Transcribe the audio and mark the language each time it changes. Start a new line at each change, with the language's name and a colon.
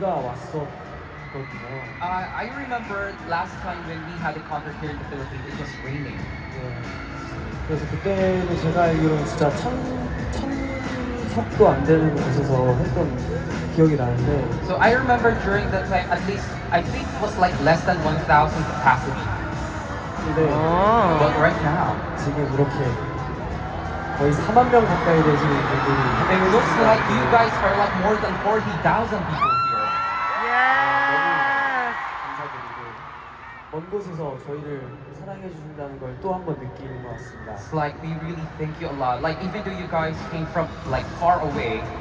English: I remember last time when we had a concert here in the Philippines, it was raining.
Korean: 그래서 그때는 제가 알기로는 진짜 천석도 안 되는 곳에서 했던 기억이 나는데.
English: So I remember during that time, at least I think it was like less than 1,000 capacity.
Korean: 근데
English: But right now,
Korean: 지금 이렇게 거의 4만 명 가까이 되시는 분들이.
English: And it looks like you guys are like more than 40,000 people here. Yes.
Korean: 감사드리고 먼 곳에서 저희를 사랑해 주신다는 걸 또 한 번 느끼는 것 같습니다.
English: It's like we really thank you a lot. Like even though you guys came from like far away,